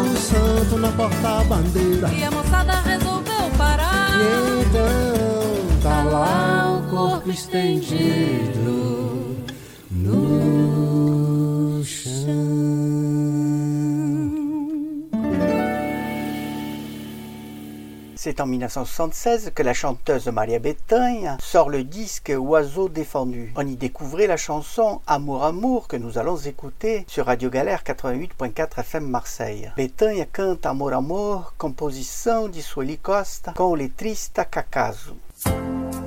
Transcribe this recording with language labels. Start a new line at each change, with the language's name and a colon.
Portuguese: o santo na porta-bandeira e a moçada resolveu parar. E então tá lá o corpo estendido no chão.
French: C'est en 1976 que la chanteuse Maria Bethânia sort le disque Oiseau défendu. On y découvrait la chanson Amour, amour que nous allons écouter sur Radio Galère 88.4 FM Marseille.
Portuguese: Bethânia canta Amour, amour, composição de Sueli Costa com letrista Cacazo. Música.